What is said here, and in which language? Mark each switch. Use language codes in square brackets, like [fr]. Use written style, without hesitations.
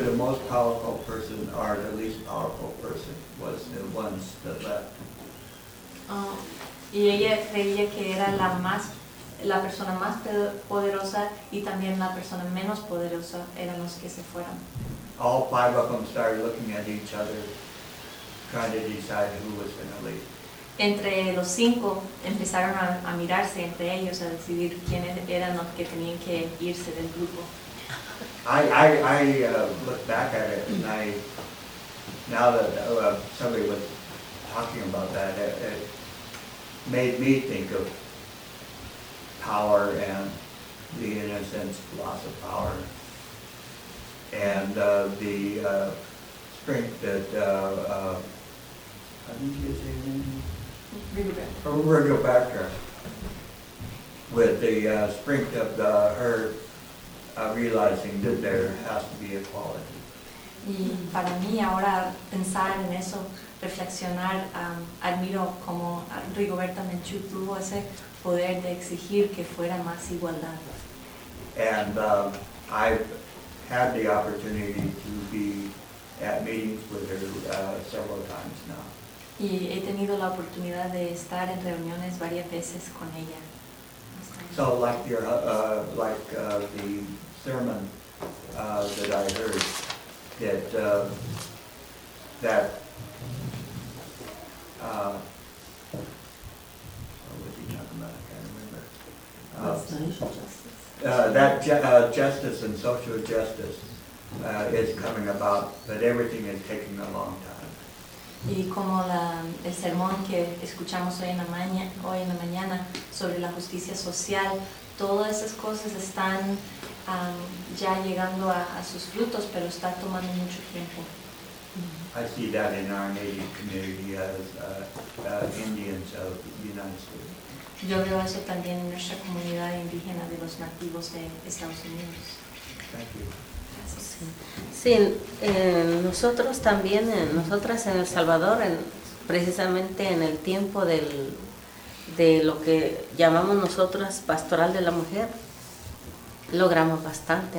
[en] the most powerful person or the least powerful person was the ones that left. [es] Y ella creía que era la persona más poderosa y también la persona menos poderosa eran los que se fueron. [en] All 5 of them started looking at each other, trying to decide who was going to leave. [es] Entre los 5 empezaron a mirarse entre ellos, a decidir quiénes eran los que tenían que irse del grupo. [en] I looked back at it, and I, now that somebody was talking about that, it made me think of power and the innocence, loss of power. And the strength that, how did you say her name? Rigoberta. With the strength of her realizing that there has to be equality. [es] Y para mí ahora pensar en eso, reflexionar, admiro como Rigoberta Menchú tuvo ese poder de exigir que fuera más igualdad. [en] And I've had the opportunity to be at meetings with her several times now. [es] Y he tenido la oportunidad de estar en reuniones varias veces con ella. [en] So like your the sermon that I heard, that that justice and social justice is coming about, but everything is taking a long time. [es] Y como la, el sermón que escuchamos hoy en la mañana sobre la justicia social, todas esas cosas están ya llegando a sus frutos, pero está tomando mucho tiempo. [en] I see that in our native community as Indians of the United States. [es] Yo veo eso también en nuestra comunidad indígena de los nativos de Estados Unidos. Sí, nosotros también, nosotras en El Salvador, precisamente en el tiempo de lo que llamamos nosotras pastoral de la mujer, logramos bastante.